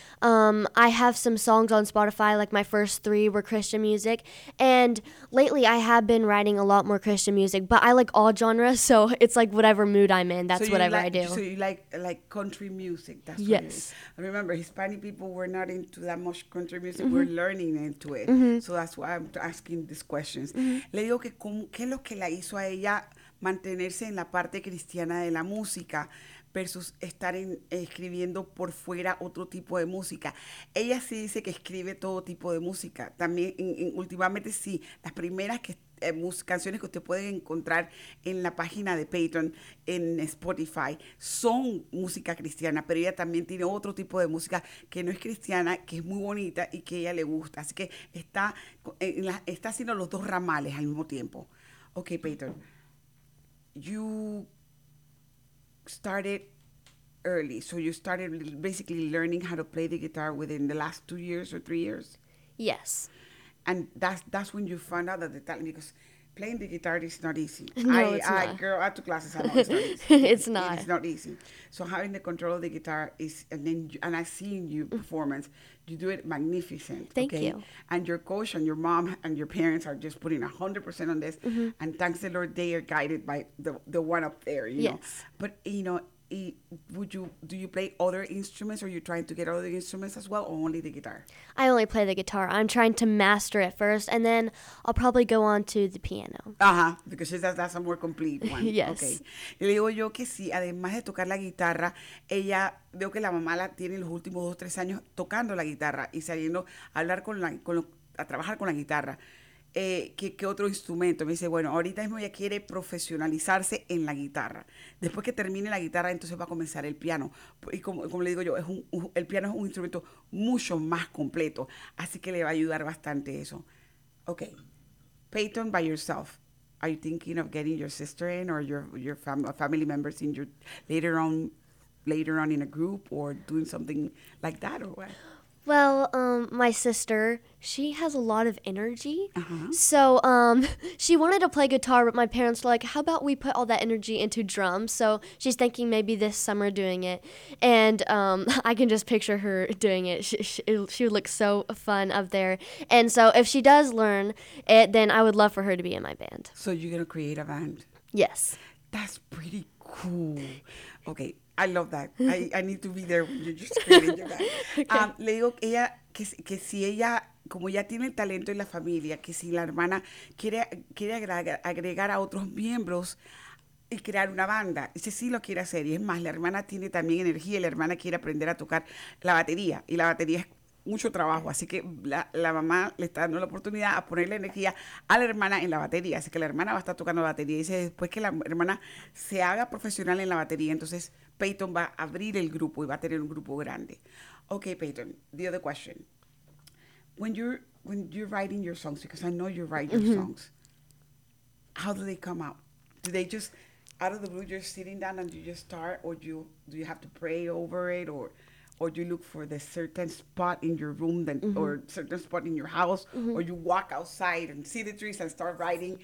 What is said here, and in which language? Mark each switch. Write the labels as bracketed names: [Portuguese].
[English] I have some songs on Spotify, like my first three were Christian music. And lately I have been writing a lot more Christian music, but I like all genres. So it's like whatever mood I'm in, that's so whatever like, I do. So you like country music? That's yes. What remember, Hispanic people were not into that much country music. Mm-hmm. We're learning into it. Mm-hmm. So that's why I'm asking. Asking these questions. Mm-hmm. [Spanish] Le digo que ¿qué es lo que la hizo a ella mantenerse en la parte cristiana de la música versus estar escribiendo por fuera otro tipo de música? Ella sí dice que escribe todo tipo de música. También, últimamente sí, las primeras canciones que usted puede encontrar en la página de Patreon en Spotify son música cristiana, pero ella también tiene otro tipo de música que no es cristiana, que es muy bonita y que a ella le gusta. Así que está haciendo los dos ramales al mismo tiempo. [English] Ok, Patreon. You started early, so you started basically learning how to play the guitar within the last 2 years or 3 years? Yes. And that's when you found out that the talent, because playing the guitar is not easy. No, I took classes, I know it's not easy. It's not. It's not easy. So having the control of the guitar is, and I've seen you performance, you do it magnificent. Thank okay? you. And your coach and your mom and your parents are just putting 100% on this. Mm-hmm. And thanks the Lord, they are guided by the one up there, you yes. know. But, you know, do you play other instruments, or are you trying to get other instruments as well, or only the guitar? I only play the guitar. I'm trying to master it first, and then I'll probably go on to the piano. Ajá, because that's a more complete one. Yes. Okay. [Spanish] Le digo yo que sí, además de tocar la guitarra, ella, veo que la mamá la tiene los últimos 2-3 años tocando la guitarra y saliendo a hablar a trabajar con la guitarra. ¿Qué otro instrumento? Me dice, bueno, ahorita mismo ella quiere profesionalizarse en la guitarra. Después que termine la guitarra, entonces va a comenzar el piano. Y como le digo yo, el piano es un instrumento mucho más completo. Así que le va a ayudar bastante eso. [English] Okay. Peyton, by yourself, are you thinking of getting your sister in or your family members in later on in a group or doing something like that or what? Well, my sister, she has a lot of energy. Uh-huh. So she wanted to play guitar, but my parents were like, how about we put all that energy into drums? So she's thinking maybe this summer doing it. And I can just picture her doing it. She would look so fun up there. And so if she does learn it, then I would love for her to be in my band. So you're going to create a band? Yes. That's pretty cool. Okay. I love that. I need to be there when you're just creating your band. Okay. [Spanish] Le digo que ella, que si ella, como ya tiene el talento en la familia, que si la hermana quiere agregar a otros miembros y crear una banda, dice, sí lo quiere hacer. Y es más, la hermana tiene también energía y la hermana quiere aprender a tocar la batería. Y la batería es mucho trabajo, así que la mamá le está dando la oportunidad a ponerle energía a la hermana en la batería, así que la hermana va a estar tocando la batería y dice después que la hermana se haga profesional en la batería, entonces Peyton va a abrir el grupo y va a tener un grupo grande. [English] Okay, Peyton, the other question. When you're writing your songs, because I know you write your songs, how do they come out? Do they just out of the blue you're sitting down and you just start, or do you have to pray over it, or do you look for the certain spot in your room then, or certain spot in your house, or you walk outside and see the trees and start writing?